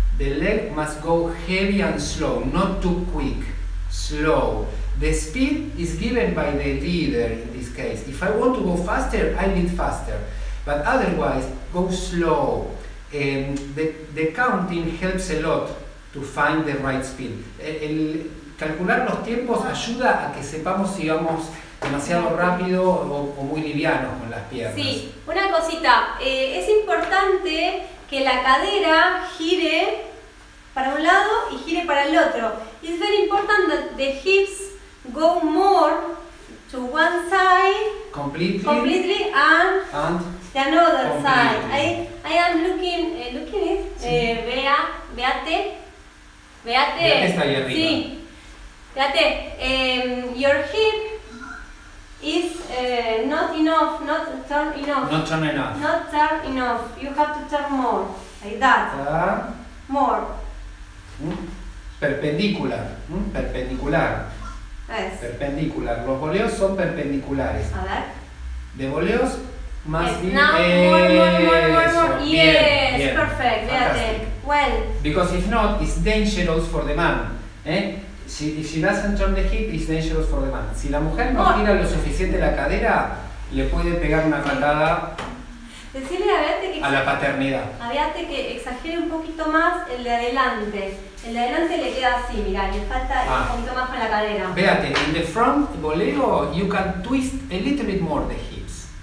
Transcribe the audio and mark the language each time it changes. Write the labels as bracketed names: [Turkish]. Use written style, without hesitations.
[English] The leg must go heavy and slow, not too quick. Slow. The speed is given by the leader in this case. If I want to go faster, I lead faster. But otherwise, go slow. The counting helps a lot to find the right speed. [Spanish] El calcular los tiempos ayuda a que sepamos si vamos demasiado rápido o muy liviano con las piernas. Sí, una cosita. Es importante que la cadera gire para un lado y gire para el otro. [English] It's very important that the hips go more to one side completely and the another completely. Side. I am looking it. Sí. Beate. Beate. [Spanish] Beate está ahí arriba. Sí. [English] Beate, your hip is not enough, not turn enough. Not turn enough. Not turn enough. You have to turn more. Like that. More. Perpendicular. Perpendicular. Yes. [Spanish] Perpendicular. Los voleos son perpendiculares. A ver. De voleos más [English] bien. Yes. More, more, more, more, more. Yes, bien. Bien. Perfect. Fantastic. Well. Because if not, it's dangerous for the man. Si she doesn't turn the hip, it's dangerous for the man. [Spanish] Si la mujer no gira lo suficiente la cadera, le puede pegar una patada. Decirle a Beate que a la paternidad. A Beate que exagere un poquito más el de adelante. El de adelante le queda así, mira, le falta un poquito más con la cadera. [English] Beate, in the front voleo, you can twist a little bit more the hips.